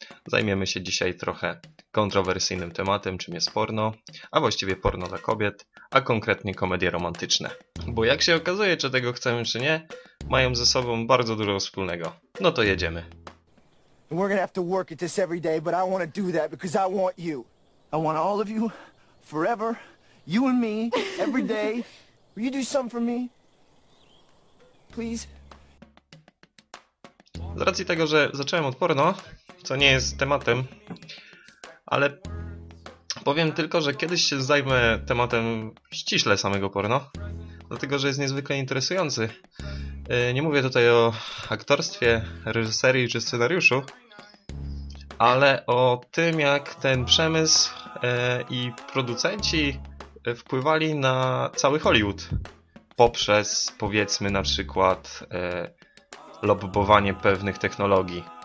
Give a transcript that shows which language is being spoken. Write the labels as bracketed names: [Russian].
[Polish] Zajmiemy się dzisiaj trochę kontrowersyjnym tematem, czym jest porno, a właściwie porno dla kobiet, a konkretnie komedie romantyczne. Bo jak się okazuje, czy tego chcemy, czy nie, mają ze sobą bardzo dużo wspólnego. No to jedziemy. [English] We're gonna have to work at this every day, but I wanna do that because I want you. I want all of you, forever, you and me, every day. Will you do something for me? Please? [Polish] Z racji tego, że zacząłem od porno, co nie jest tematem, ale powiem tylko, że kiedyś się zajmę tematem ściśle samego porno, dlatego że jest niezwykle interesujący. Nie mówię tutaj o aktorstwie, reżyserii czy scenariuszu, ale o tym, jak ten przemysł i producenci wpływali na cały Hollywood poprzez, powiedzmy, na przykład lobbowanie pewnych technologii.